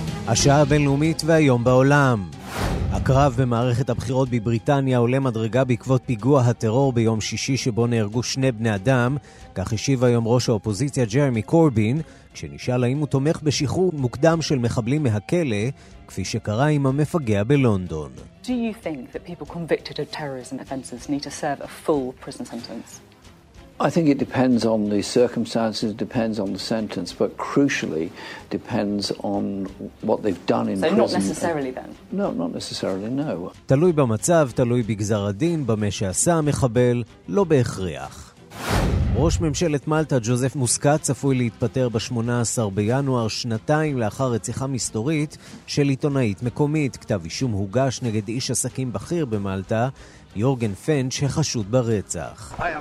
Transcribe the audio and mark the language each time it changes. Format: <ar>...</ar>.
<he>השעה הבינלאומית והיום בעולם. הקרב במערכת הבחירות בבריטניה עולה מדרגה בעקבות פיגוע הטרור ביום שישי שבו נהרגו שני בני אדם, כך השיב היום ראש האופוזיציה ג'רמי קורבין, כשנשאל האם הוא תומך בשחרור מוקדם של מחבלים מהכלא, כפי שקרה עם המפגע בלונדון.</he> <en>Do you think that people convicted of terrorism offenses need to serve a full prison sentence? I think it depends on the circumstances, depends on the sentence, but crucially depends on what they've done in prison. So not necessarily then? No, not necessarily, no.</en> <he>תלוי במצב, תלוי בגזר הדין, במה שעשה המחבל, לא בהכריח. ראש ממשלת מלטה, ג'וזף מוסקט, צפוי להתפטר ב-18 בינואר, שנתיים לאחר רציחה מסתורית של עיתונאית מקומית. כתב אישום הוגש נגד איש עסקים בכיר במלטה, יורגן פנץ', החשוד ברצח.</he>